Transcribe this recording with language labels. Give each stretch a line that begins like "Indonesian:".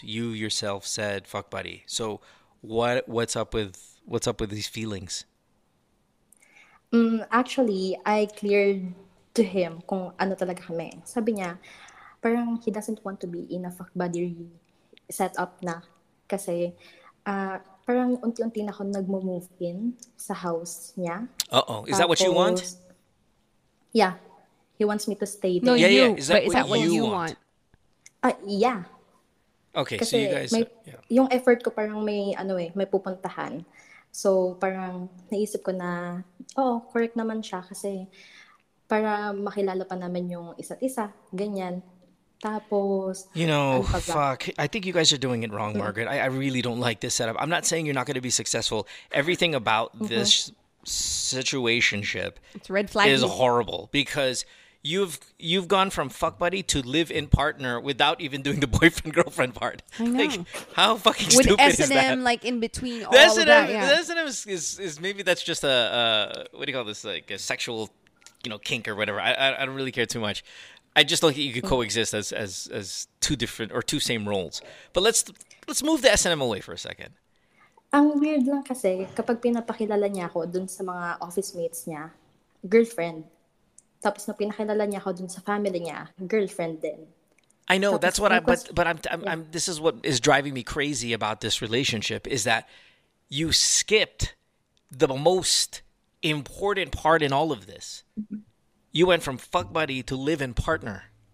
English: You yourself said fuck buddy. So what's up with these feelings? Actually, I cleared to him
Filipino: kung ano talaga kami. Sabi niya, parang
English: he doesn't want to be in a fuck buddy setup na.
Filipino: Kasi parang unti-unti na ako nagmo-move in sa house niya.
English: Uh-oh. Is that what you want? Yeah. He wants me to stay there. No, yeah, you. Yeah. Is that what you want? Yeah. Okay,
Filipino: kasi
English: so you guys...
Filipino: Yung effort ko parang may pupuntahan. So parang naisip ko na, correct naman siya kasi para makilala pa naman yung isa't isa, ganyan. Tapos...
English: You know, fuck. I think you guys are doing it wrong, Margaret. I really don't like this setup. I'm not saying you're not going to be successful. Everything about this situationship is horrible because... You've gone from fuck buddy to live in partner without even doing the boyfriend girlfriend part. I know. Like, how fucking stupid is that? With S&M like in between all S&M, of that. Yeah. S&M is maybe that's just a what do you call this, like a sexual, you know, kink or whatever. I don't really care too much. I just don't think you could coexist as two different or two same roles. But let's move the SNM away for a second.
Filipino: Ang weird lang kasi kapag pinapakilala niya ako dun sa mga office mates niya, girlfriend. Tapos na pinakilala niya ako dun sa family niya, girlfriend din.
English: I know, that's what I'm this is what is driving me crazy about this relationship is that you skipped the most important part in all of this. You went from fuck buddy to live in partner.